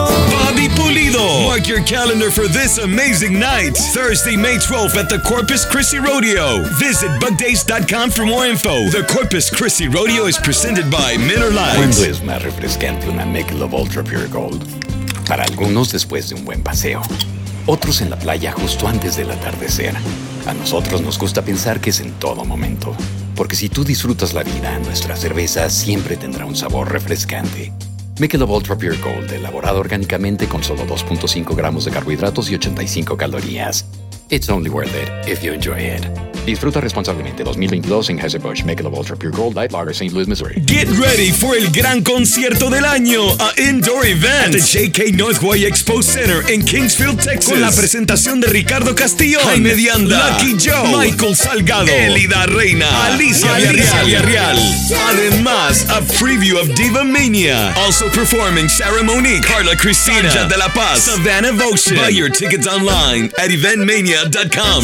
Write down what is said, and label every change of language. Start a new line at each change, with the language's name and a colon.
English: Bobby Pulido. Mark your calendar for this amazing night, Thursday, May 12th at the Corpus Christi Rodeo. Visit bugdays.com for more info. The Corpus Christi Rodeo is presented by Miller Lite.
Spanish: Cuando es más refrescante una Michelob Ultra Pure Gold. Para algunos después de un buen paseo. Otros en la playa justo antes del atardecer. A nosotros nos gusta pensar que es en todo momento. Porque si tú disfrutas la vida, nuestra cerveza siempre tendrá un sabor refrescante. Michelob Ultra Pure Gold, elaborado orgánicamente con solo 2.5 gramos de carbohidratos y 85 calorías.
English: It's only worth it if you enjoy it.
Spanish: Disfruta responsablemente 2022 en Anheuser-Busch Michelob Ultra Pure Gold Light Lager, St. Louis, Missouri.
English: Get ready for
Spanish: el gran concierto del año,
English: a indoor event at the JK Northway Expo Center in Kingsfield, Texas.
Spanish: Con la presentación de Ricardo Castillo, Jaime Dianda, Lucky Joe, Michael Salgado, Elida Reina, Alicia Villarreal. Además,
English: a preview of Diva Mania. Also performing Sarah Monique, Carla Cristina, Sanja de la Paz, Savannah Votion. Buy your tickets online at eventmania.com.